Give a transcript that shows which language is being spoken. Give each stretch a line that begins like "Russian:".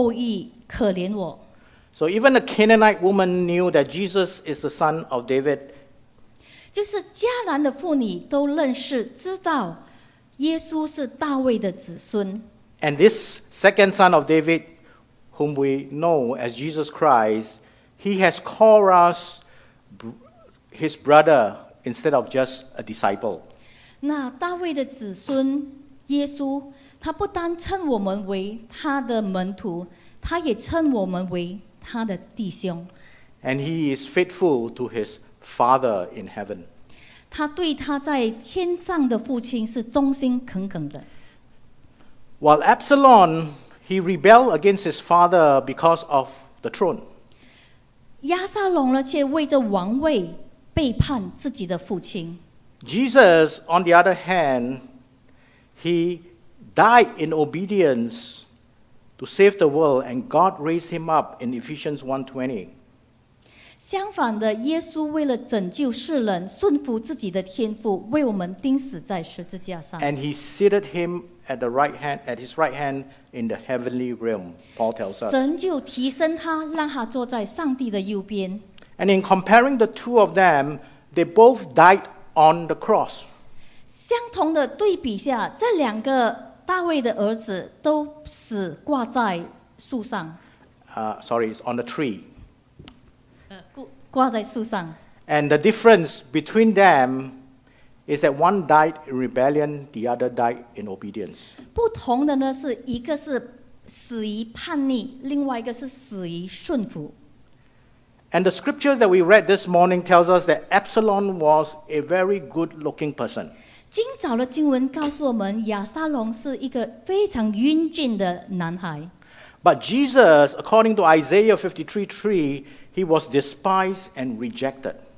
Chinese: 在马太福音第十五章，有一位迦南的妇女大声地喊着说：“大卫的后裔，可怜我！”
English: So even the Canaanite woman knew that Jesus is the son of David.
Chinese: 就是迦南的妇女都认识，知道耶稣是大卫的子孙。
English: And this second son of David, whom we know as Jesus Christ, he has called us his brother instead of just a disciple.
Chinese: 那大卫的子孙耶稣，他不单称我们为他的门徒，他也称我们为他的弟兄。
English: And he is faithful to his father in heaven.
Chinese: 他对他在天上的父亲是忠心耿耿的。
English: While Absalom, he rebelled against his father because of the throne.
Chinese: 亚撒龙呢，却为着王位背叛自己的父亲。
English: Jesus, on the other hand, he died in obedience to save the world, and God raised him up in Ephesians 1:20.
Chinese: 相反的，耶稣为了拯救世人，顺服自己的天父，为我们钉死在十字架上。
English: And he seated him at the right hand, at his right hand in the heavenly realm. Paul tells us.
Chinese: 神就提升他，让他坐在上帝的右边。
English: And in comparing the two of them, they both died on the cross.
Chinese: 相同的对比下，这两个大卫的儿子都死挂在树上。
English: Sorry, it's on the tree.
Chinese: 挂在树上。
English: And the difference between them is that one died in rebellion, the other died in obedience.
Chinese: 不同的呢，是一个是死于叛逆，另外一个是死于顺服。
English: And the scripture that we read this morning tells us that Absalom was a very good-looking person.
Chinese: 今早的经文告诉我们，亚撒龙是一个非常英俊的男孩。
English: But Jesus, according to Isaiah 53:3, he was despised and rejected.